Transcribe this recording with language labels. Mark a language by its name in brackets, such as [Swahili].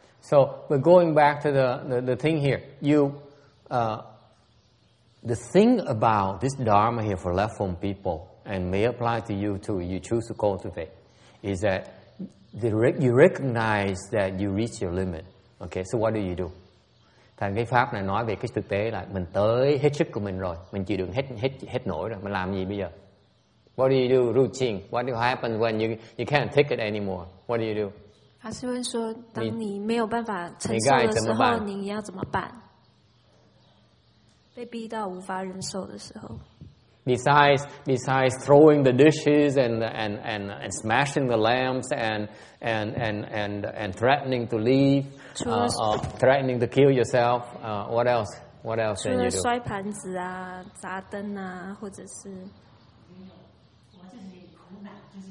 [English] So, but going back to the thing here, the thing about this Dharma here for left-home people and may apply to you too, you choose to cultivate, is that you recognize that you reach your limit. Okay, so what do? [Vietnamese] Thành cái pháp này nói về cái thực tế là mình tới hết sức của mình rồi, mình chịu đựng hết nổi rồi, mình làm gì bây giờ? [English] What do you do? Routine. What happens when you can't take it anymore? What do you do? [Chinese] 法师问说：“当你没有办法承受的时候，你要怎么办？被逼到无法忍受的时候 [English] ，besides throwing the dishes and smashing the lamps and threatening to leave, threatening to kill yourself, what else? What else can you do? [Chinese] 除了摔盘子啊、砸灯啊，或者是……没有，我自己苦恼，就是心里面很痛。